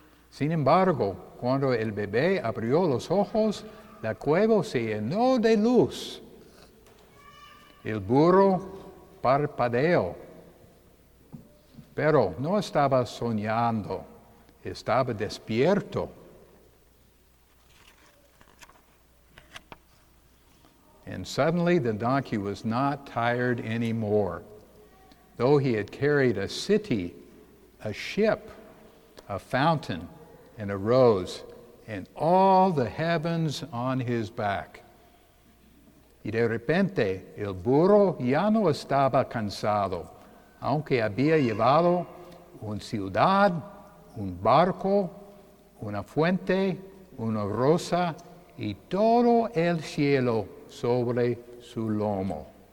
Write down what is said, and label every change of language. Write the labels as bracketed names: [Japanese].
[Spanish] Sin embargo, cuando el bebé abrió los ojos, la cueva se llenó de luz. El burro parpadeó. Pero no estaba soñando, estaba despierto. [English] And suddenly the donkey was not tired anymore. Though he had carried a city, a ship, a fountain, and a rose, and all the heavens on his back. [Spanish] Y de repente, el burro ya no estaba cansado, aunque había llevado una ciudad, un barco, una fuente, una rosa, y todo el cielo sobre su lomo.